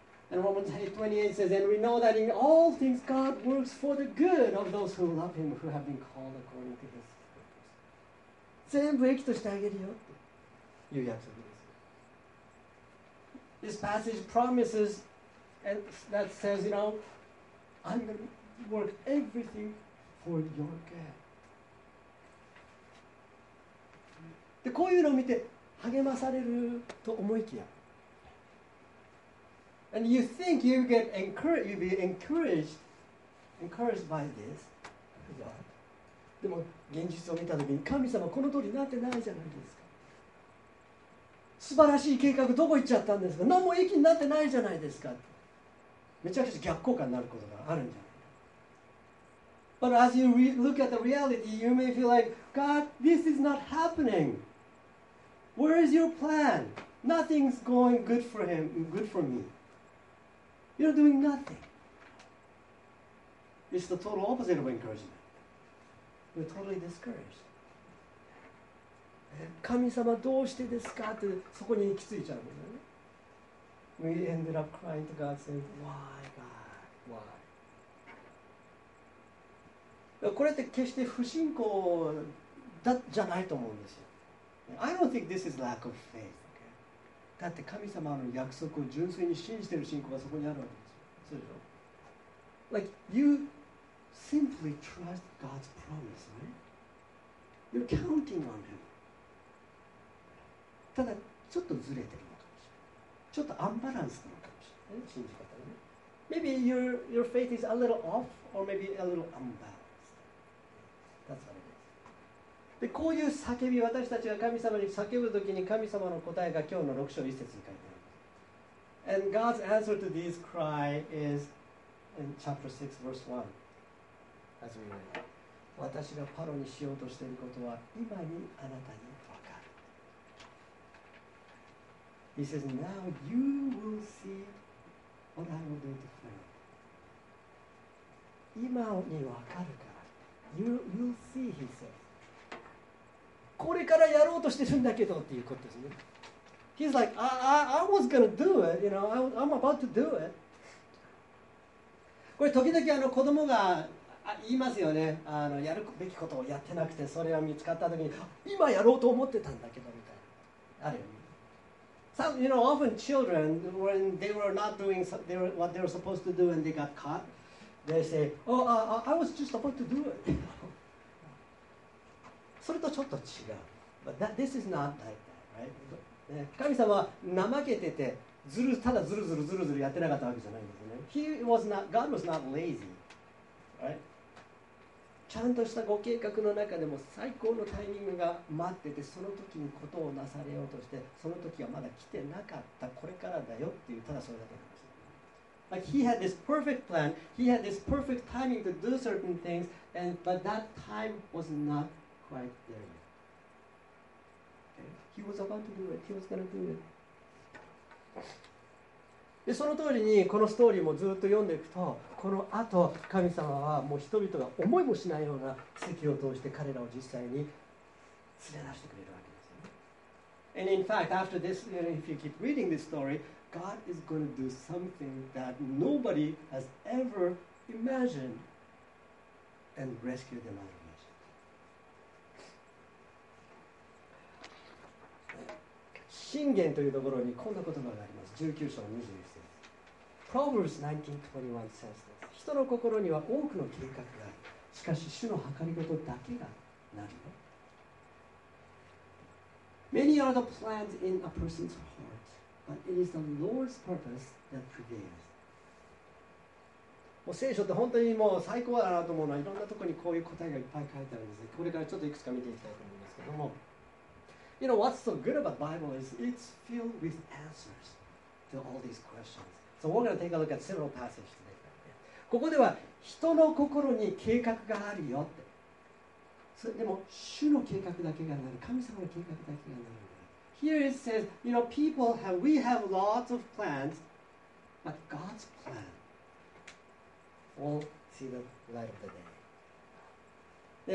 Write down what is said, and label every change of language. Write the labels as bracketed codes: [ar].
[en] And Romans 8:28 says, And we know that in all things God works for the good of those who love Him, who have been called according to His purpose. [ja] 全部益としてあげるよという約束です。 [en] This passage promises and that says, you know, I'm going to work everything for your good. [ja] で、こういうのを見て励まされると思いきや、 [en] And you think you get encouraged, you be encouraged, encouraged by this. God. [ja] でも現実を見たときに神様この通りになってないじゃないですか。素晴らしい計画どこ行っちゃったんですか。何も益になってないじゃないですか。めちゃくちゃ逆効果になることがあるんじゃない。 [en] But as you look at the reality, you may feel like, God, this is not happening. Where is your plan? Nothing's going good for him, good for me. You're doing nothing. It's the total opposite of encouragement. We're totally discouraged. [ja] 神様どうしてですかってそこに行き着いちゃうんだよね。 [en] We ended up crying to God saying, Why, God? Why? [ja] これって決して不信仰だじゃないと思うんですよ。 [en] I don't think this is lack of faith. [ja] だって神様の約束を純粋に信じている信仰がそこにあるわけですよ。そうでしょ。 [en] Like you simply trust God's promise, right? You're counting on Him. [ja] ただちょっとずれてるのかもしれない。ちょっとアンバランスなのかもしれない。信じ方がね。 [en] Maybe your faith is a little off, or maybe a little unbalanced. That's what it is. [ja] でこういう叫び、私たちが神様に叫ぶときに神様の答えが今日の6章1節に書いてあります。 [en] And God's answer to this cry is in chapter 6 verse 1 as we read. [ja] 私がパロにしようとしていることは今にあなたに分かる。 [en] He says, now you will see what I will do to Pharaoh. [ja] 今にわかるから。 [en] You'll see, he says. [ja] これからやろうとしてるんだけどっていうことですね。 [en] He's like, I was gonna do it, you know, I'm about to do it. [ja] これ時々あの子供が言いますよね。あのやるべきことをやってなくて、それを見つかったときに、今やろうと思ってたんだけどみたいな。あるよね。 [en] Some, you know, often children, when they were not doing what they were supposed to do and they got caught, they say, oh, I was just about to do it. [ja] それとちょっと違う。 [en] But that, this is not like that, right? [ja] 神様は怠けてて、ずるただずるずるずるずるやってなかったわけじゃないんですね。 [en] He was not, God was not lazy, right? [ja] ちゃんとしたご計画の中でも最高のタイミングが待ってて、その時にことをなされようとして、その時はまだ来てなかった、これからだよっていう、ただそれだけなんです。 [en] Like he had this perfect plan, he had this perfect timing to do certain things, and, but that time was not quite there yet. He was about to do it. He was gonna do it. [ja] でその通りにこのストーリーもずっと読んでいくと、このあと神様はもう人々が思いもしないような奇跡を通して彼らを実際に連れ出してくれるわけですよ、ね。 [en] And in fact, after this, you know, if you keep reading this story, God is going to do something that nobody has ever imagined and rescue them out of. [ja] 箴言というところにこんな言葉があります。 [en] 19章21節。Proverbs 19:21 says this. [ja] 人の心には多くの計画がある。しかし主の計り事だけがなるの。 [en] Many are the plans in a person's heart, but it is the Lord's purpose that prevails. [ja] もう聖書って本当にもう最高だなと思うのは、いろんなところにこういう答えがいっぱい書いてあるんですね。これからちょっといくつか見ていきたいと思いますけども。 [en] You know, what's so good about the Bible is it's filled with answers to all these questions. So we're going to take a look at several passages today. [ja] ここでは人の心に計画があるよって。それでも主の計画だけがなる。神様の計画だけがなる。 [en] Here it says, you know, people have, we have lots of plans, but God's plan will see the light of the day.